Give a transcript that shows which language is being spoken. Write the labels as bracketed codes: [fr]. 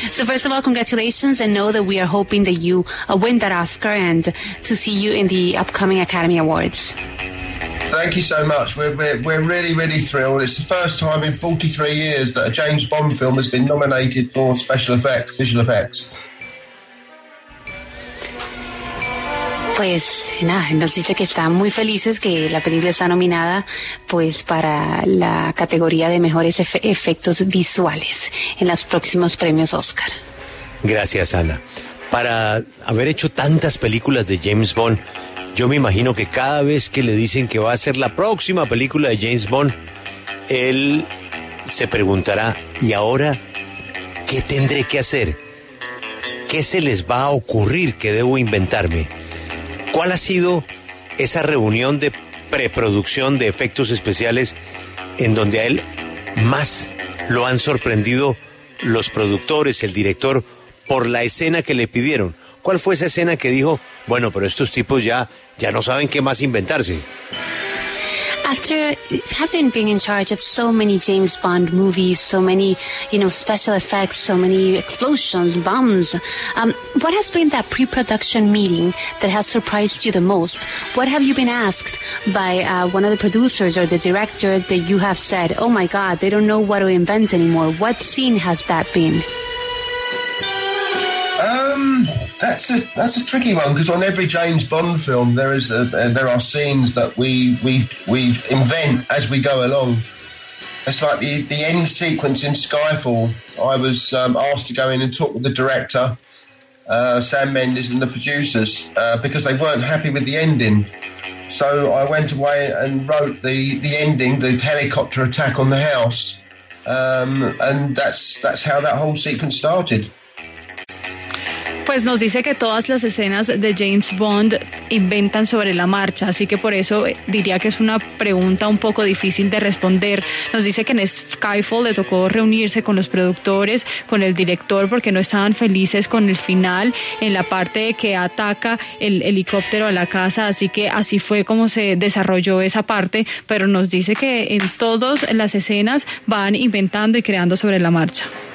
[en] So first of all, congratulations, and know that we are hoping that you win that Oscar and to see you in the upcoming Academy Awards. Thank you so much. We're really, really thrilled. It's the first time in 43 years that a James Bond film has been nominated for special effects, visual effects. [es] Pues nada, nos dice que están muy felices que la película está nominada pues para la categoría de mejores efectos visuales en los próximos premios Oscar. Gracias, Ana. Para haber hecho tantas películas de James Bond, yo me imagino que cada vez que le dicen que va a ser la próxima película de James Bond, él se preguntará, ¿y ahora qué tendré que hacer? ¿Qué se les va a ocurrir que debo inventarme? ¿Cuál ha sido esa reunión de preproducción de efectos especiales en donde a él más lo han sorprendido los productores, el director, por la escena que le pidieron? ¿Cuál fue esa escena que dijo, bueno, pero estos tipos ya no saben qué más inventarse? [en] After having been in charge of so many James Bond movies, so many, you know, special effects, so many explosions, bombs, what has been that pre-production meeting that has surprised you the most? What have you been asked by one of the producers or the director that you have said, oh my God, they don't know what to invent anymore? What scene has that been? That's a tricky one, because on every James Bond film there is there are scenes that we invent as we go along. It's like the end sequence in Skyfall. I was asked to go in and talk with the director, Sam Mendes, and the producers, because they weren't happy with the ending. So I went away and wrote the ending, the helicopter attack on the house, and that's how that whole sequence started. [es] Pues nos dice que todas las escenas de James Bond inventan sobre la marcha, así que por eso diría que es una pregunta un poco difícil de responder. Nos dice que en Skyfall le tocó reunirse con los productores, con el director, porque no estaban felices con el final, en la parte que ataca el helicóptero a la casa, así que así fue como se desarrolló esa parte, pero nos dice que en todas las escenas van inventando y creando sobre la marcha.